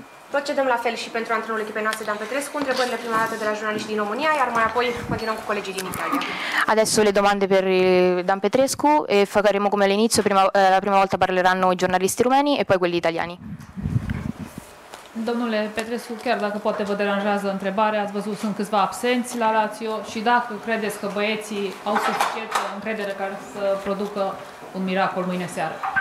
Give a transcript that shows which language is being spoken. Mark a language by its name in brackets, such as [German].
[Romanian] Procedăm la fel și pentru antrenorul echipei noastre, Dan Petrescu, întrebările prima dată de la jurnaliști din România, iar mai apoi continuăm cu colegii din Italia. [Italian] Adesso le domande per Dan Petrescu e faremo come all'inizio, la prima volta parleranno i giornalisti rumeni e poi quelli italiani. [Romanian] Domnule Petrescu, chiar dacă poate vă deranjează întrebarea, ați văzut, sunt câțiva absenți la Lazio și dacă credeți că băieții au suficient încredere ca să producă un miracol mâine seară?